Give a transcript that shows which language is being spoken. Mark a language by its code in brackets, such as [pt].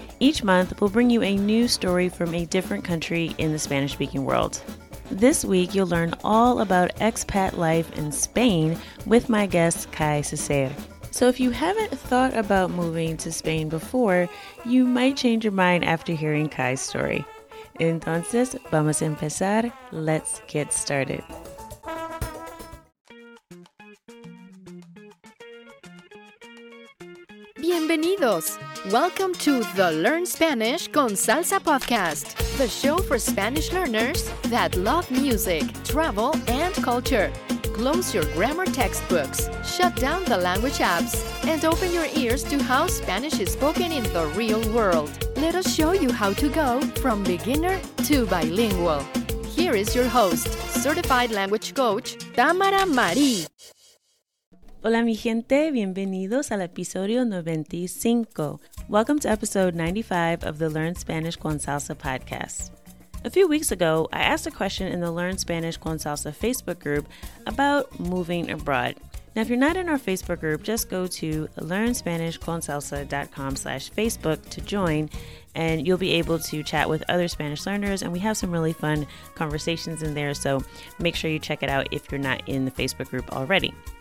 [en] Each month, we'll bring you a new story from a different country in the Spanish-speaking world. This week, you'll learn all about expat life in Spain with my guest, Kai Cesar. So if you haven't thought about moving to Spain before, you might change your mind after hearing Kai's story. [es] Entonces, vamos a empezar. [en] Let's get started. [es] Bienvenidos. [en] Welcome to the Learn Spanish con Salsa podcast, the show for Spanish learners that love music, travel, and culture. Close your grammar textbooks, shut down the language apps, and open your ears to how Spanish is spoken in the real world. Let us show you how to go from beginner to bilingual. Here is your host, certified language coach, Tamara Marie. [es] Hola mi gente, bienvenidos al episodio 95. [en] Welcome to episode 95 of the Learn Spanish con Salsa podcast. A few weeks ago, I asked a question in the Learn Spanish con Salsa Facebook group about moving abroad. Now, if you're not in our Facebook group, just go to learnspanishconsalsa.com/Facebook to join, and you'll be able to chat with other Spanish learners, and we have some really fun conversations in there, so make sure you check it out if you're not in the Facebook group already.